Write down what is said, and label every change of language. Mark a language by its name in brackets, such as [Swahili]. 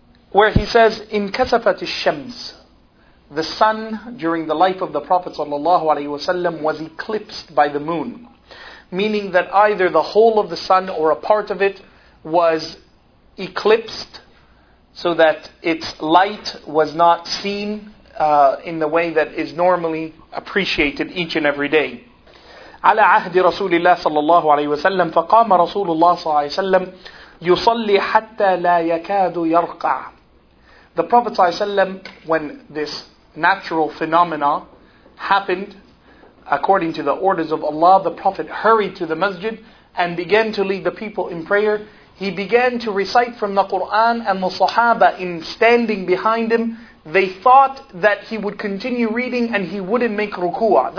[English] where he says, [Arabic] in kasafat al-shams, [English] the sun during the life of the Prophet sallallahu alayhi wa sallam was eclipsed by the moon, meaning that either the whole of the sun or a part of it was eclipsed so that its light was not seen in the way that is normally appreciated each and every day. [Arabic] على عهد رسول الله صلى الله عليه وسلم فقام رسول الله صلى الله عليه وسلم يصلي حتى لا يكاد يرقع. [English] The Prophet صلى الله عليه وسلم, when this natural phenomena happened according to the orders of Allah, the Prophet hurried to the masjid and began to lead the people in prayer. He began to recite from the Qur'an, and the Sahaba in standing behind him, they thought that he would continue reading and he wouldn't make ruku'ah.